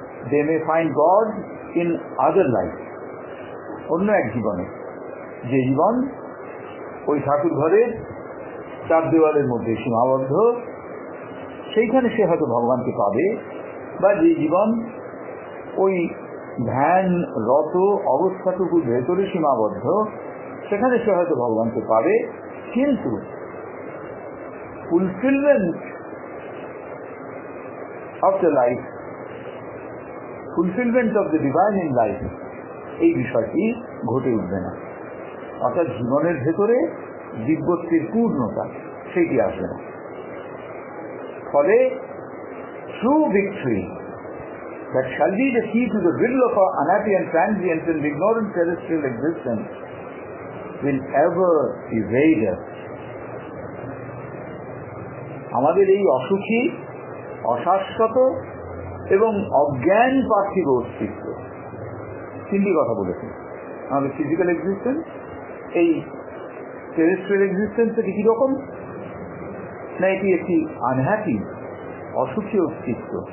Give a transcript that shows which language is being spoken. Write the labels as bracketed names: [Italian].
[English] they may find God in other life, [Bangla] অন্য এক জীবনে, যে জীবন ওই ঠাকুর ঘরের চার দেওয়ালের মধ্যে সীমাবদ্ধ, সেইখানে সে হয়তো ভগবানকে পাবে, বা যে জীবন ওই ধ্যান রত অবস্থাটুকুর ভেতরে সীমাবদ্ধ সেখানে সে হয়তো ভগবানকে পাবে। কিন্তু [English] fulfilment of the life, fulfilment of the divine in life, [Bangla] এই বিষয়টি ঘটে উঠবে না। অর্থাৎ জীবনের ভেতরে দিব্যত্বের পূর্ণতা সেটি আসবে না, ফলে [English] True victory that shall be the key to the riddle of our unhappy and transient and ignorant terrestrial existence will ever evade us. [Bangla] আমাদের এই অসুখী, অশাশ্বত এবং অজ্ঞান পার্থিব অস্তিত্ব তিনটি কথা বলেছে, আমাদের ফিজিক্যাল এক্সিস্টেন্স, এই টেরেস্ট্রিয়াল এক্সিস্টেন্স এটি কিরকম, না এটি একটি আনহ্যাপি অসুখী অস্তিত্ব।